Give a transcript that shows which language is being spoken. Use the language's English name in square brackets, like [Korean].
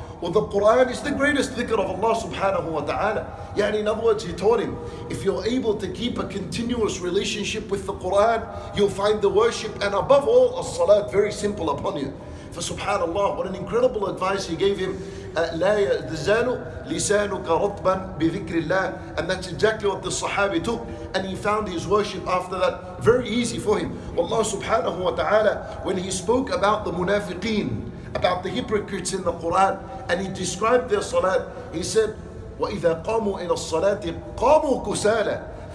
[English] Well, the Quran is the greatest dhikr of Allah subhanahu wa ta'ala. Yani, in other words, he taught him, if you're able to keep a continuous relationship with the Quran, you'll find the worship and above all, a salat very simple upon you. For subhanAllah, what an incredible advice he gave him. [Arabic] لا يزال لسانك رطبا بذكر الله. [English] And that's exactly what the Sahabi took. And he found his worship after that very easy for him. Allah subhanahu wa ta'ala, when he spoke about the munafiqeen, about the hypocrites in the Quran, and he described their salat, he said, [Arabic] وَإِذَا قَامُوا إِلَى الصَّلَاةِ قَامُوا كُسَالَةً.